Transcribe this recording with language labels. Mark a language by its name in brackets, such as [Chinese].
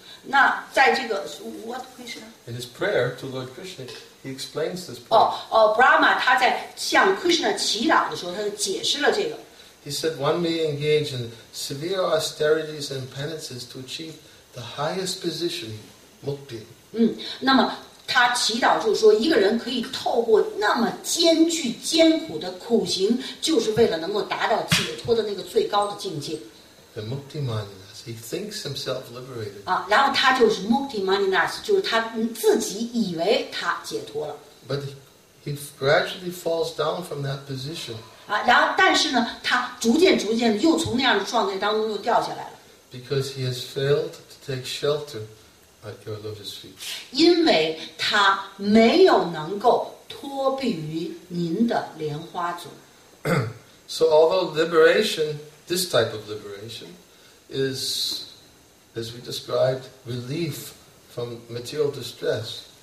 [Chinese] 那在这个 what Krishna? [English] In his prayer to Lord Krishna, he explains this point. [Chinese] Brahma, 他在向 Krishna 祈祷的时候，他就解释了这个。 [English] He said one may engage in severe austerities and penances to achieve the highest position, mukti. [Chinese] 那么他祈祷就是说，一个人可以透过那么艰巨艰苦的苦行，就是为了能够达到解脱的那个最高的境界。 [English] The mukti mind. He thinks himself liberated. [Chinese] 然后他就是 mukti maninas, 就是他自己以为他解脱了。 [English] But he gradually falls down from that position. [Chinese] 然后但是呢，他逐渐逐渐又从那样的状态当中又掉下来了。 [English] Because he has failed to take shelter at your lotus feet. [Chinese] 因为他没有能够托庇于您的莲花足。 [English] So although liberation, this type of liberation, is, as we described, relief from material distress.